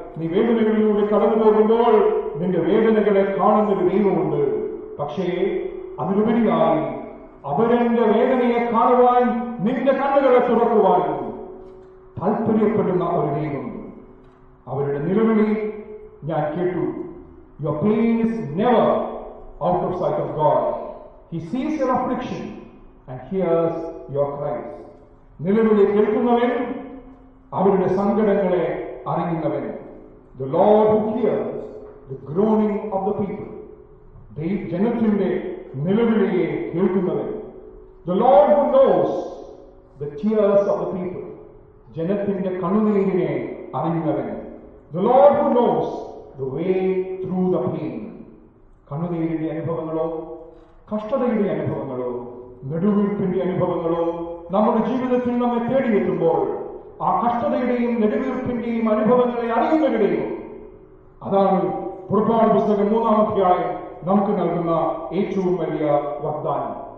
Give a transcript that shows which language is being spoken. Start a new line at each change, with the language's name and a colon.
Malayalam: നീ വേദനകളിലൂടെ കടന്നു പോകുമ്പോൾ നിന്റെ വേദനകളെ കാണുന്നൊരു ദൈവമുണ്ട്. പക്ഷേ അതിലുപരിയായി അവരെ വേദനയെ കാണുവാൻ നിന്റെ കണ്ണുകളെ തുറക്കുവാനും താല്പര്യപ്പെടുന്ന ഒരു ദൈവം. അവരുടെ നിലവിളി ഞാൻ കേട്ടു.
English: Your pain is never out of sight of God. He sees your affliction and hears your cries.
Malayalam: നിലവിളി കേൾക്കുന്നവൻ അവരുടെ സങ്കടങ്ങളെ അറിയുന്നവൻ.
English: The Lord who hears the groaning of the people.
Malayalam: ദൈവ ജനത്തിന്റെ നിലവിളിയെ കേൾക്കുന്നവൻ.
English: The Lord who knows the tears of the people.
Malayalam: ജനത്തിന്റെ കണ്ണുനീരിനെ അറിയുന്നവൻ.
English: The Lord who knows the way through the pain.
Malayalam: കണ്ണുനീരിന്റെ അനുഭവങ്ങളോ കഷ്ടതയുടെ അനുഭവങ്ങളോ നെടുവീർപ്പിന്റെ അനുഭവങ്ങളോ നമ്മുടെ ജീവിതത്തിൽ നമ്മെ തേടിയെത്തുമ്പോൾ ആ കഷ്ടതയുടെയും നെടുവീർപ്പിന്റെയും അനുഭവങ്ങളെ അറിയുന്നവരുടെയും അതാണ് പുറപ്പാട് പുസ്തകം 3-ാം അധ്യായം നമുക്ക് നൽകുന്ന ഏറ്റവും വലിയ വാഗ്ദാനം.